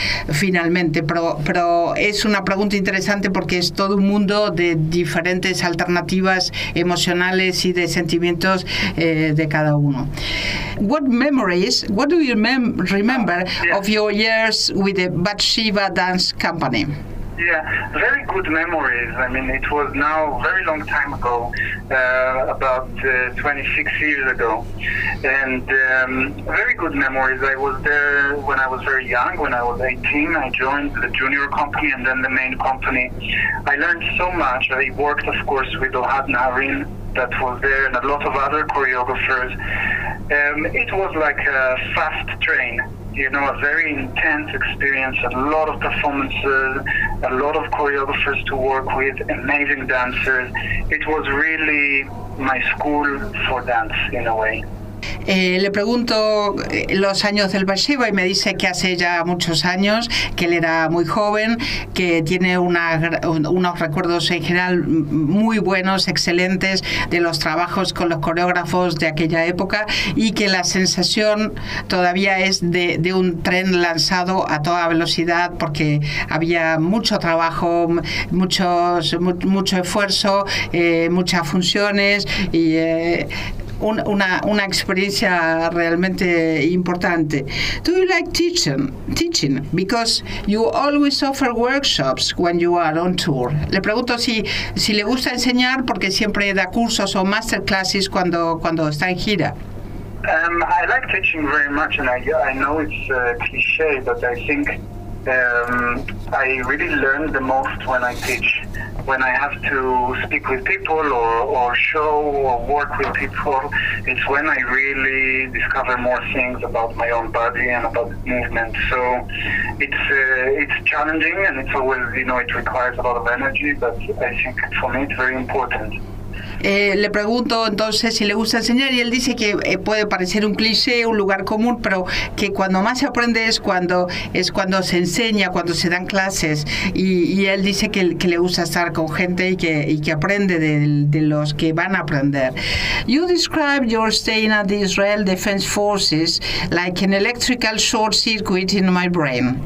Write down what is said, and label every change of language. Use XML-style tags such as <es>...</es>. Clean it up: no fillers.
<es>finalmente, pero es una pregunta interesante, porque es todo un mundo de diferentes alternativas emocionales y de sentimientos de cada uno.</es> <en>What do you remember of your years with the Bathsheba Dance Company? Yeah, very good memories. I mean, it was now a very long time ago, about 26 years ago. And very good memories. I was there when I was very young, when I was 18. I joined the junior company and then the main company. I learned so much. I worked, of course, with Ohad Naharin, that was there, and a lot of other choreographers. It was like a fast train. You know, a very intense experience, a lot of performances, a lot of choreographers to work with, amazing dancers. It was really my school for dance, in a way.</en> <es>Le pregunto los años del Bathsheba y me dice que hace ya muchos años, que él era muy joven, que tiene unos recuerdos en general muy buenos, excelentes, de los trabajos con los coreógrafos de aquella época, y que la sensación todavía es de un tren lanzado a toda velocidad, porque había mucho trabajo, mucho esfuerzo, muchas funciones y... Una experiencia realmente importante.</es> <en>Do you like teaching? Because you always offer workshops when you are on tour.</en> <es>Le pregunto si le gusta enseñar, porque siempre da cursos o masterclasses cuando está en gira.</es> <en>I like teaching very much, and I know it's cliche, but I think I really learn the most when I teach. When I have to speak with people or show or work with people, it's when I really discover more things about my own body and about movement. So it's challenging, and it's always, you know, it requires a lot of energy, but I think for me it's very important.</en> <es>Le pregunto entonces si le gusta enseñar y él dice que puede parecer un cliché, un lugar común, pero que cuando más se aprende es cuando se enseña, cuando se dan clases. Y él dice que le gusta estar con gente y que aprende de los que van a aprender.</es> <en>You describe your staying at the Israel Defense Forces like an electrical short circuit in my brain.</en>